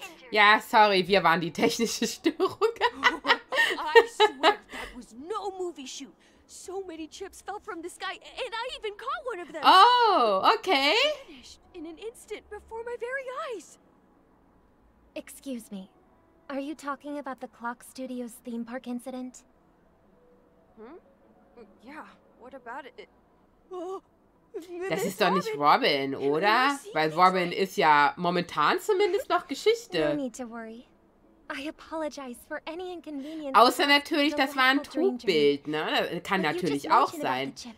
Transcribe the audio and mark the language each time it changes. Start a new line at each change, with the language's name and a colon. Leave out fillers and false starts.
German: Ja, sorry, wir waren die technische Störung.
English: Oh, I swear, that was no movie shoot. So many chips fell from the sky, and I even caught one of them. Oh, okay. Finished in an instant before my very eyes. Excuse me. Are you talking about the Clock Studios theme park incident? Hmm? Yeah, what about it?
German: Das ist doch nicht Robin, oder? Weil Robin ist ja momentan zumindest noch Geschichte.
English: No need to worry. I apologize for any inconvenience.
German: Außer natürlich, das war ein Trugbild, ne? Kann natürlich auch sein.